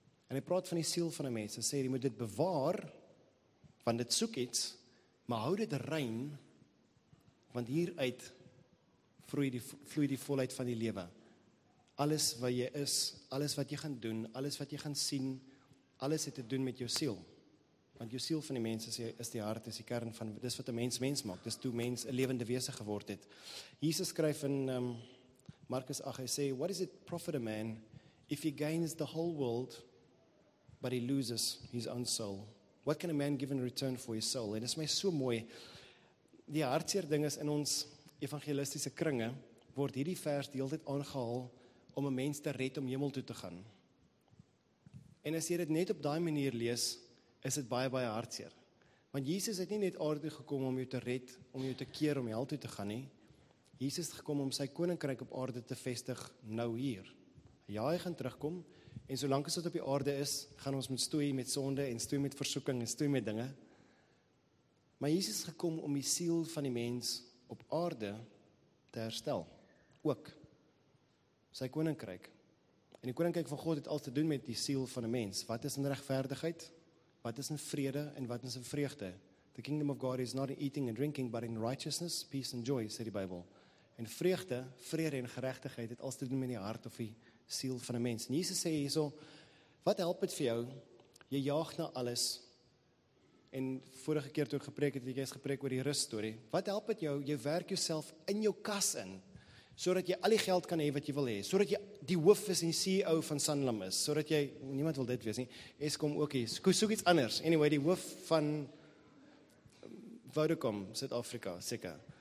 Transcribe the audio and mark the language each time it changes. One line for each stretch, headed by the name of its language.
Afrikaans: En hy praat van die siel van 'n mens, en sê, jy moet dit bewaar, want dit soek iets, maar hou dit rein, want hieruit vloei die volheid van die lewe. Alles wat jy is, alles wat jy gaan doen, alles wat jy gaan sien, alles het te doen met jou siel. Want jou siel van die mens is die hart, is die kern van, dis wat 'n mens maak, dis toe mens 'n lewende wese geword het. Jesus skryf in Markus 8, hy sê,
English: what is it profit a man if he gains the whole world, but he loses his own soul? What can a man give in return for his soul?
Afrikaans: En dit is my so mooi, die hartseer ding is in ons evangelistiese kringe, word hierdie vers die hele tyd aangehaal om 'n mens te red om hemel toe te gaan. En as jy dit net op daai manier lees, is dit baie, baie hartseer. Want Jesus het nie net aarde toe gekom om jou te red, om jou te keer, om hel toe te gaan nie. Jesus het gekom om sy koninkryk op aarde te vestig, nou hier. Ja, hy gaan terugkom, en solank as dit op die aarde is, gaan ons met stoei met sonde, en stoei met versoeking, en stoei met dinge. Maar Jesus het gekom om die siel van die mens op aarde te herstel. Ook sy koninkryk. En die koninkryk van God het al te doen met die siel van 'n mens. Wat is in regverdigheid? Wat is in vrede en wat is in vreugde?
English: The kingdom of God is not in eating and drinking, but in righteousness, peace and joy,
Afrikaans: sê die Bybel. En vreugde, vrede en geregtigheid het al te doen met die hart of die siel van 'n mens. En Jesus sê hierso, wat help dit vir jou? Jy jaag na alles. En vorige keer toe ek gepreek het, jy is gepreek oor die rus story. Wat help dit jou? Jy werk jouself in jou kas in, sodat jy al die geld kan hê wat jy wil hê, sodat jy die hoof is en die CEO van Sanlam is, sodat jy, niemand wil dit wees nie, Eskom ook hier, soek iets anders, anyway, die hoof van Vodacom, Suid-Afrika, seker.